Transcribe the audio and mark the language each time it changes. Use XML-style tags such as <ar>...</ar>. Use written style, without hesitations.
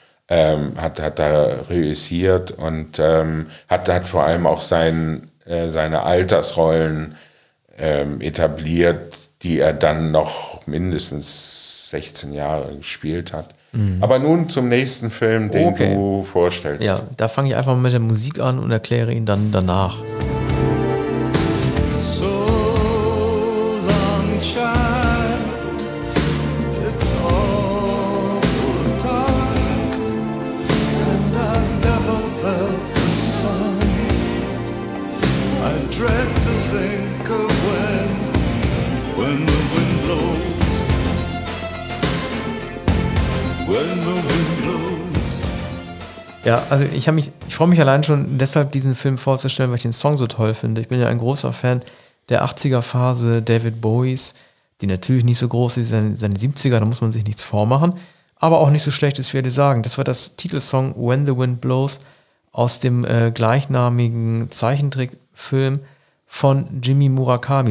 <de>Hat da reüssiert und hat vor allem auch seine Altersrollen etabliert, die er dann noch mindestens 16 Jahre gespielt hat. Mhm. Aber nun zum nächsten Film, den du vorstellst. Ja, da fange ich einfach mal mit der Musik an und erkläre ihn dann danach.</de> <en>So long, child, it's awful dark, and I never felt the sun. I dread to think of when the wind blows, when the wind blows.</en> <de>Ja, also ich freue mich allein schon deshalb, diesen Film vorzustellen, weil ich den Song so toll finde. Ich bin ja ein großer Fan der 80er-Phase David Bowies, die natürlich nicht so groß ist, seine 70er, da muss man sich nichts vormachen, aber auch nicht so schlecht ist, wie alle sagen. Das war das Titelsong When the Wind Blows aus dem gleichnamigen Zeichentrickfilm von Jimmy Murakami.</de>